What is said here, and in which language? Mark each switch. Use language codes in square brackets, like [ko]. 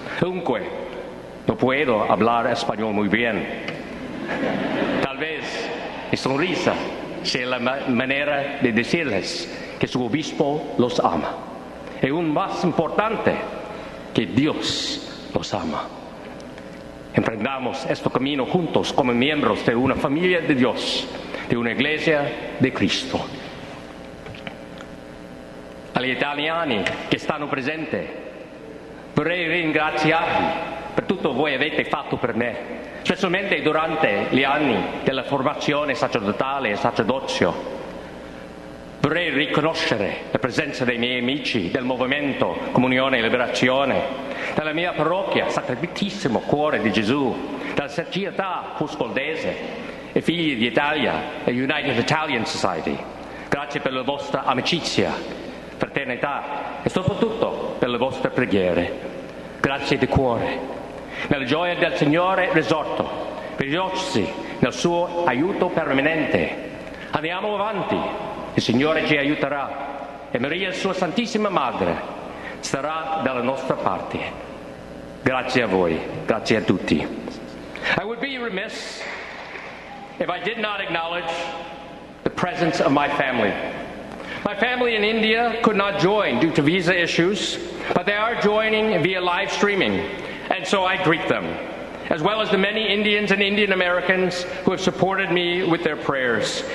[es] Aunque no puedo hablar español muy bien, tal vez mi sonrisa sea la manera de decirles que su obispo los ama. Y aún más importante, que Dios los ama. Emprendamos este camino juntos como miembros de una familia de Dios, de una iglesia de Cristo. [it] Agli italiani che stanno presenti, vorrei ringraziarvi per tutto voi avete fatto per me, specialmente durante gli anni della formazione sacerdotale e sacerdozio. Vorrei riconoscere la presenza dei miei amici del Movimento Comunione e Liberazione, della mia parrocchia Sacratissimo Cuore di Gesù, della Società Cuscoldese e Figli d'Italia e United Italian Society. Grazie per la vostra amicizia, fraternità e soprattutto per le vostre preghiere. Grazie di cuore. Nella gioia del Signore risorto, pregiosi nel suo aiuto permanente. Andiamo avanti. Il Signore ci aiuterà e Maria, sua Santissima Madre, sarà dalla nostra parte. Grazie a voi, grazie a tutti. [en] I would be remiss if I did not acknowledge the presence of my family. My family in India could not join due to visa issues, but they are joining via live streaming, and so I greet them, as well as the many Indians and Indian Americans who have supported me with their prayers.